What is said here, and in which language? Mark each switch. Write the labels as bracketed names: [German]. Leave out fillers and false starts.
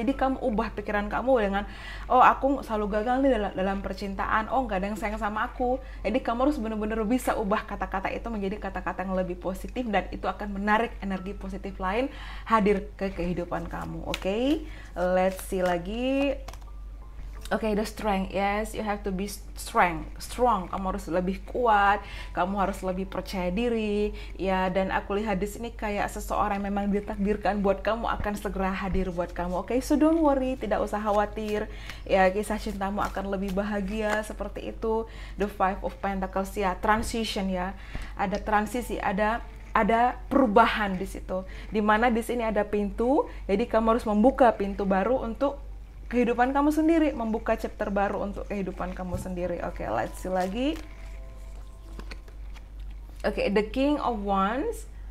[Indonesian] Jadi kamu ubah pikiran kamu dengan oh, aku selalu gagal nih dalam percintaan, oh nggak ada yang sayang sama aku. Jadi kamu harus benar-benar bisa ubah kata-kata itu menjadi kata-kata yang lebih positif, dan itu akan menarik energi positif lain hadir ke kehidupan kamu. [English] Oke, okay? Let's see [Indonesian] lagi. [English] Oke, okay, the strength. Yes, you have to be strength, strong. [Indonesian] Kamu harus lebih kuat, kamu harus lebih percaya diri. Ya, dan aku lihat di sini kayak seseorang yang memang ditakdirkan buat kamu akan segera hadir buat kamu. Oke, okay, [English] so don't worry, [Indonesian] tidak usah khawatir. Ya, kisah cintamu akan lebih bahagia seperti itu. The Five of Pentacles, ya, transition ya. Ada transisi, ada perubahan di situ. Di mana di sini ada pintu, jadi kamu harus membuka pintu baru untuk kehidupan kamu sendiri, membuka chapter baru untuk kehidupan kamu sendiri. [English] Oke, okay, let's see [Indonesian] lagi. [English] Oke, okay, the King of Wands.